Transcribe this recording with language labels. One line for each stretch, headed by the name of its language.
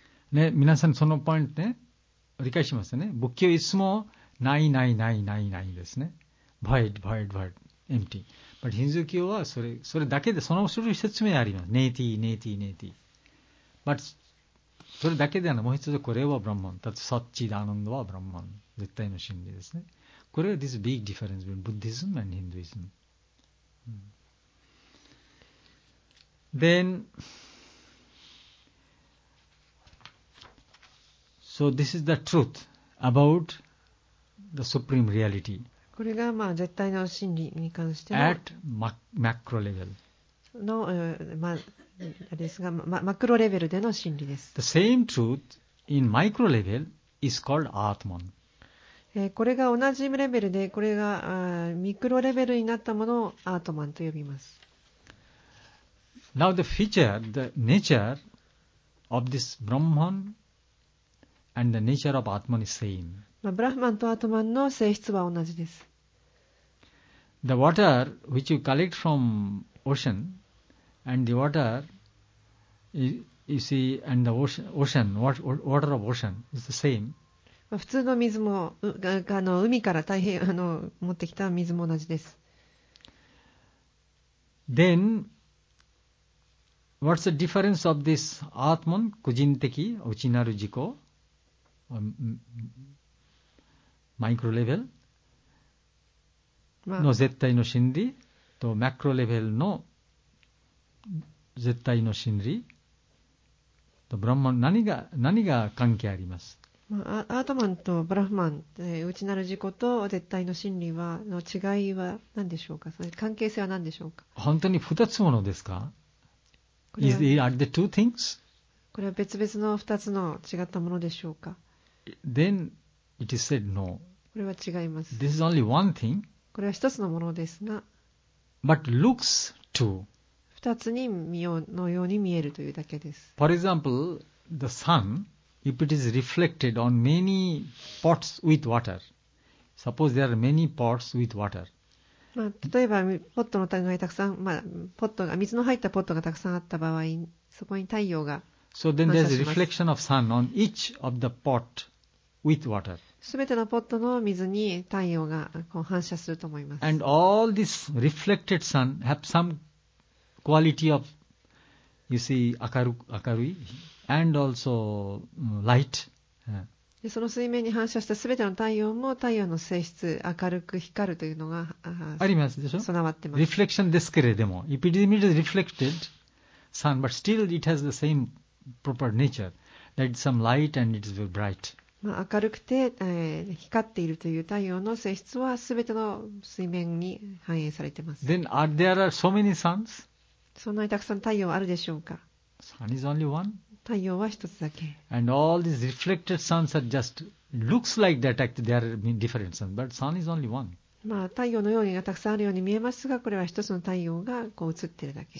Japanese: ね、皆さんそのポイントね、理解しますね。仏教いつもないないないないないですね。
English: Void, void, void, empty. But
Japanese: ヒンズー教はそれだけで、その種類説明あります。ネイティ。
English: But
Japanese: それだけではない。もう一つこれはブラハマン。だってサッチダアナンドはブラハマン。絶対の真理ですね。これは
English: this big difference between Buddhism and Hinduism. Then, so this is the truth about the supreme reality.
Japanese: これがまあ絶対の真理に関しての
English: at macro level.
Japanese: のまあですが、マクロレベルでの真理です。
English: The same truth in micro level is called Atman.
Japanese: これが同じレベルで、これがミクロレベルになったものをアートマンと呼びます。
English: Now the feature, the nature of this Brahman and the nature of Atman is same.
Japanese: まあ、ブラハマンとアートマンの性質は同じです。
English: The water which you collect from ocean and the water, you see, and the ocean, water of ocean is the same.
Japanese: 普通の水も、海から大変持ってきた水も同じです。
English: Then, what's the difference of this Atman,
Japanese: 個人的、内なる自己、マイクロレベルの絶対の真理と、マクロレベルの絶対の真理と、ブラマン、何が関係あります？アートマンとブラハマン、内なる自己と絶対の真理はの違いは何でしょうか。それ関係性は何でしょうか。本当に二つものですか。
English: Are the two things?
Japanese: これは別々の二つの違ったものでしょうか。
English: Then it is said no.
Japanese: これは違います。
English: This is only one thing.
Japanese: これは一つのものですが。
English: But looks to.
Japanese: 二つに見ようのように見えるというだけです。
English: For example, the sun. If it is reflected on many pots with water, suppose there are many pots with water.
Japanese: まあ、例えばポットの中にたくさん、まあ、ポットが水の入ったポットがたくさんあった場合、そこに太陽が反射します。
English: So then there's a reflection of sun on each of the pot with water.
Japanese: すべてのポットの水に太陽がこう反射すると思います。
English: And all this reflected sun have some quality of, you see,
Japanese: 明るい。
English: And also light.
Japanese: でその水面に反射したすべての太陽も太陽の性質、明るく光るというのがありますでしょ、備わってます。リフレクションですけれども、
English: If it emits reflected sun, but still it has the same proper nature, that is some light and it is very bright.
Japanese: まあ、明るくて、光っているという太陽の性質はすべての水面に反映されています。
English: Then, are there are so many suns?
Japanese: そんなにたくさん太陽あるでしょうか?
English: Sun is only one.
Japanese: 太陽は一つだけ。
English: And all these reflected suns are just looks like that, actually there are different suns, but sun is only one.
Japanese: まあ、太陽のようにがたくさんあるように見えますが、これは一つの太陽がこう映っているだけ。